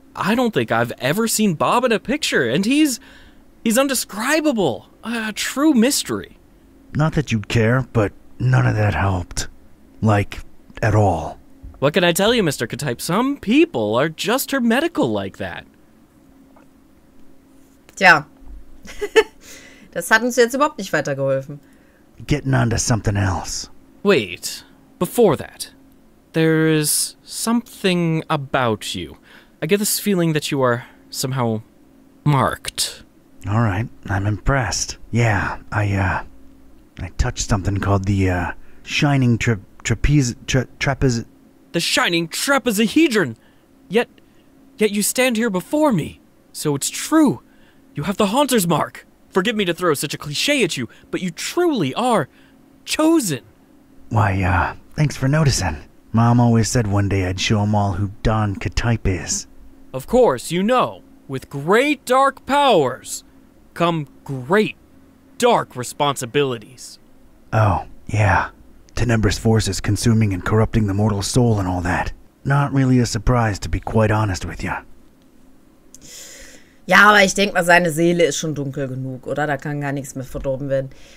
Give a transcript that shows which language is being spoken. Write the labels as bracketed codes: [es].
[en] I don't think I've ever seen Bob in a picture, and he's indescribable. A true mystery. Not that you'd care, but none of that helped. Like, at all. What can I tell you, Mr. Katype? Some people are just hermetical like that. [de] Tja. Das hat uns jetzt überhaupt nicht weitergeholfen. [en] Getting on to something else. Wait. Before that, there is something about you. I get this feeling that you are somehow marked. All right. I'm impressed. Yeah, I touched something called the, shining trapeze... The shining trapezohedron! Yet you stand here before me. So it's true. You have the Haunter's mark. Forgive me to throw such a cliche at you, but you truly are chosen. Why, thanks for noticing. Mom always said one day I'd show them all who Don Katype is. Of course, you know, with great dark powers come great dark responsibilities. Oh, yeah. Tenebrous forces consuming and corrupting the mortal soul and all that. Not really a surprise, to be quite honest with you. [de] Ja, aber ich denke mal, seine Seele ist schon dunkel genug, oder? Da kann gar nichts mehr verdorben werden.